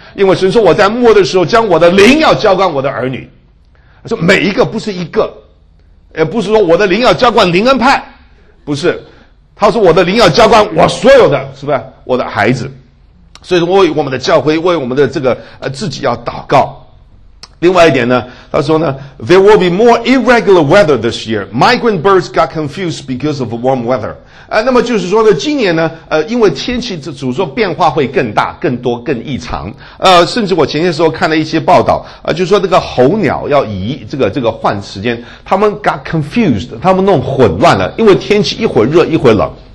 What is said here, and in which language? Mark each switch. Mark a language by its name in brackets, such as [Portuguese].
[Chinese] 因为神说我在末的时候将我的灵要浇灌我的儿女，说每一个，不是一个，也不是说我的灵要浇灌灵恩派，不是，他说我的灵要浇灌我所有的，是不是我的孩子？所以说为我们的教会，为我们的这个自己要祷告。另外一点呢，他说呢 [English] ，There will be more irregular weather this year. Migrant birds got confused because of warm weather. [Chinese] 那么就是说呢，今年呢，因为天气主说变化会更大、更多、更异常。甚至我前些时候看了一些报道，就说这个候鸟要移这个换时间，他们 [English] got confused， [Chinese] 他们弄混乱了，因为天气一会儿热一会儿冷。